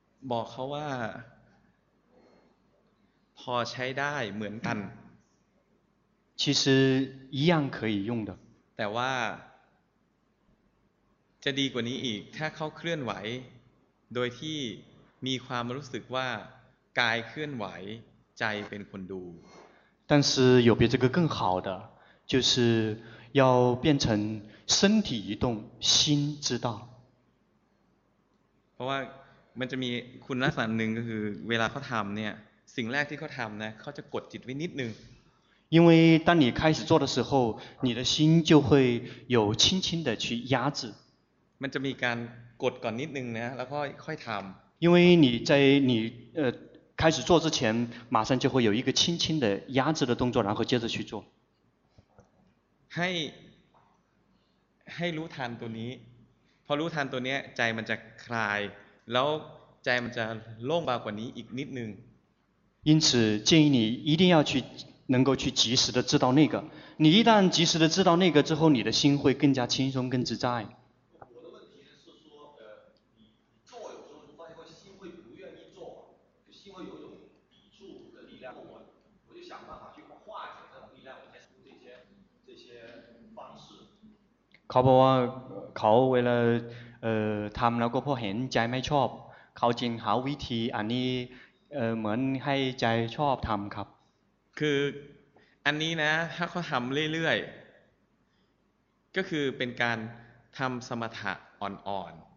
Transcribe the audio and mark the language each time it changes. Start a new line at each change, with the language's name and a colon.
Thai: บอกเขาว่าพอใช้ได้เหมือนกัน
Chinese: 其实一样可以用的
Thai: แต่ว่า จะดีกว่านี้อีกถ้าเขาเคลื่อนไหวโดยที่มีความรู้สึกว่ากายเคลื่อนไหวใจเป็นคนดู
Chinese: 但是有比这个更好的就是要变成身体移动心知道
Thai: เพราะว่ามันจะมีคุณลักษณะหนึ่งก็คือเวลาเขาทำเนี่ยสิ่งแรกที่เขาทำนะเขาจะกดจิตไว้นิดนึง
Chinese: 因为当你开始做的时候你的心就会有轻轻的去压制
Thai: มันจะมีการกดก่อนนิดนึงนะแล้วก็ค่อยทำ
Chinese: 因为你在你开始做之前马上就会有一个轻轻的压制的动作然后接着去做
Thai: ให้รู้ทันตัวนี้พอรู้ทันตัวนี้ใจมันจะคลายแล้วใจมันจะโล่งเบากว่านี้อีกนิดนึง
Chinese: 因此建议你一定要去能够去及时的知道那个你一旦及时的知道那个之后你的心会更加轻松更自在我的问题是说你做有时候发现心会不愿意做心会有一种抵触的力量我就想办法去化解这种力量我才使用这些方式
Thai: เขาบอกว่าเขาเวลาทำแล้วก็พอเห็นใจไม่ชอบเขาจึงหาวิธีอันนี้เหมือนให้ใจชอบทำครับ คืออันนี้นะถ้าเขาทำเรื่อยๆก็คือเป็นการทำสมถะอ่อน